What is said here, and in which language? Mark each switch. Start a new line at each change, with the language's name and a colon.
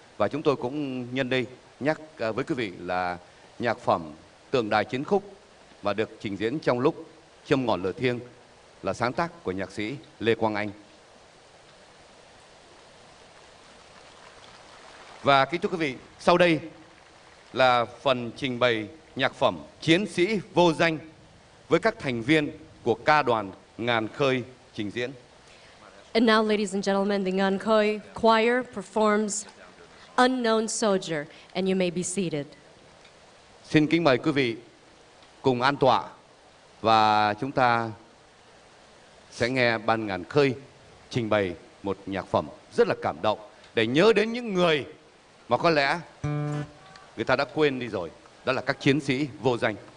Vietnamese: Và chúng tôi cũng nhân đây nhắc với quý vị là nhạc phẩm Tượng Đài Chiến Khúc mà được trình diễn trong lúc Châm Ngọn Lửa Thiêng là sáng tác của nhạc sĩ Lê Quang Anh. Và kính thưa quý vị, sau đây là phần trình bày nhạc phẩm Chiến Sĩ Vô Danh với các thành viên của ca đoàn Ngàn Khơi trình diễn.
English: And now, ladies and gentlemen, the Ngàn Khơi choir performs Unknown Soldier, and you may be seated.
Vietnamese: Xin kính mời quý vị cùng an tọa và chúng ta sẽ nghe ban Ngàn Khơi trình bày một nhạc phẩm rất là cảm động để nhớ đến những người mà có lẽ người ta đã quên đi rồi, đó là các chiến sĩ vô danh.